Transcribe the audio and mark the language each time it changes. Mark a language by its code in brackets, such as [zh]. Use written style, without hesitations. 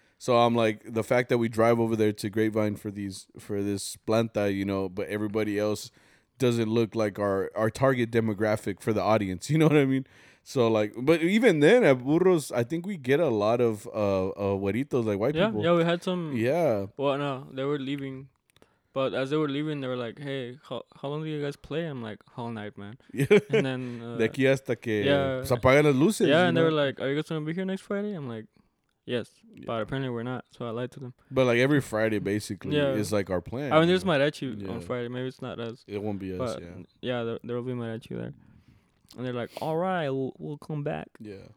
[en] So I'm like, the fact that we drive over there to Grapevine for this planta, you know, but everybody else doesn't look like our target demographic for the audience. You know what I mean? So, like, but even then, at Burros, I think we get a lot of güeritos, like, white people. Yeah, we had some. Yeah. Well, no, they were leaving. But as they were leaving, they were like, hey, how long do you guys play? I'm like, all night, man. And then. [es] De aquí hasta que se apagan las luces. [en] Yeah, and they were like, are you guys going to be here next Friday? I'm like, yes. Yeah. But apparently we're not, so I lied to them. But, like, every Friday, basically, is, like, our plan. I mean, there's mariachi on Friday. Maybe it's not us. It won't be us, but yeah, there will be mariachi there. And they're like, all right, we'll come back. Yeah.